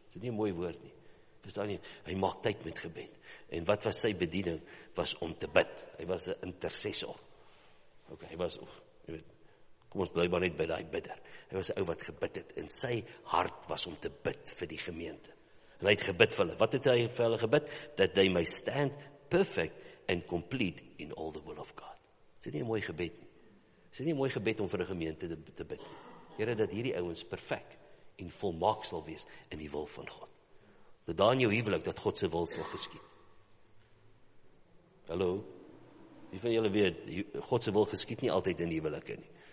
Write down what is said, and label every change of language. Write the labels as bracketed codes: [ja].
[af] Is dit nie 'n mooi woord nie? Verstaan jy, hy maak tyd met gebed. En wat was sy bediening? Was om te bid. Hy was 'n intercessor. Ok, hy was, jy weet, kom ons bly maar net by daai bidder. Hy was 'n ou wat gebid het, en sy hart was om te bid vir die gemeente. En hy het gebid vir hulle. Wat het hy vir hulle gebid? [en] That they may stand perfect and complete in all the will of God. [af] Is dit nie 'n mooi gebed nie? Is dit nie 'n mooi gebed om vir die gemeente te bid? Here, dat hierdie ouens perfek en volmaak sal wees in die wil van God. Dat daar in jou huwelik, dat God sy wil sal geskied. Hallo? Wie van julle weet, God sy wil geskied nie altyd in die huwelike nie.